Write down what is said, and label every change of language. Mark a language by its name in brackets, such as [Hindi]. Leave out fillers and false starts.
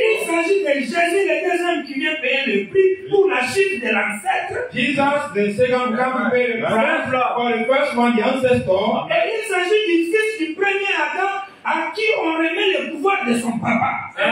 [French] Il s'agit de Jésus, le deuxième qui vient payer le prix pour la chute de l'ancêtre. [English] Jesus, the second come to pay the price for the first one, the ancestor. [French] Et il s'agit du fils du premier Adam à qui on remet le pouvoir de son papa.